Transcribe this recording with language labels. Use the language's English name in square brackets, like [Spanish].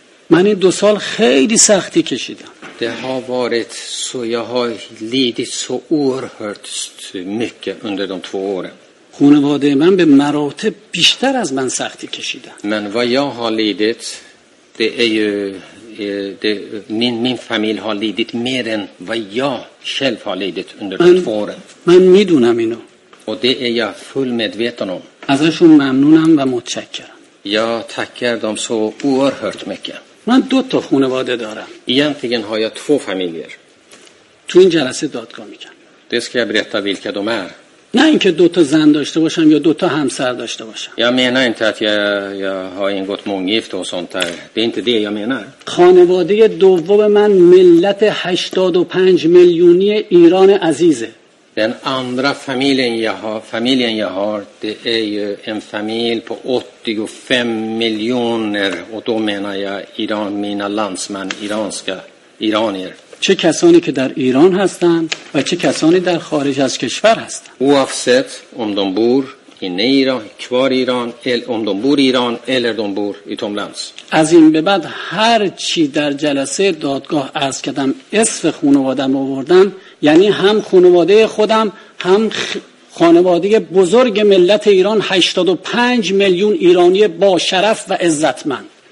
[Persian] من این 2 سال خیلی سختی کشیدم. [Swedish] Det har varit så, jag har lidit så oerhört mycket under de 2 åren. [Persian] خانواده من به مراتب بیشتر از من سختی کشیدن. [Swedish] Men vad jag har lidit, det är ju det, min familj har lidit mer än vad jag själv har lidit under de 2 åren. [Persian] من میدونم اینو. [Swedish] Och det är jag full medveten om. [Persian] ازشون ممنونم و متشکرم. [Swedish] Jag tackar dem så oerhört mycket. [Persian] من 2 تا خانواده دارم. [Swedish] Egentligen har jag 2 familjer. [Persian] تو این جلسه دادگاه میگم. [Swedish] Det ska jag berätta vilka de är. [Persian] نه اینکه 2 تا زن داشته باشم یا 2 تا همسر داشته باشم. [Swedish] Jag menar inte att jag har ingått månggifte och sånt där. Det är inte det jag menar. [Persian] خانواده دوم من ملت 85 میلیونی ایران عزیزه. [Swedish] Den andra familjen jag har, det är ju en familj på 85 miljoner. Och då menar jag Iran, mina landsmän, iranska iranier. [Persian] چه کسانی که در ایران هستند و چه کسانی در خارج از کشور هستند. [Swedish] Oavsett om de bor inne i Iran, kvar i Iran, eller om de bor i Iran eller de bor utomlands. [Persian] از این به بعد هر چی در جلسه دادگاه عرض کردم اسم خانواده‌ام آوردم، یعنی هم خانواده خودم هم خانواده بزرگ ملت ایران 85 میلیون ایرانی با شرف و عزتمند.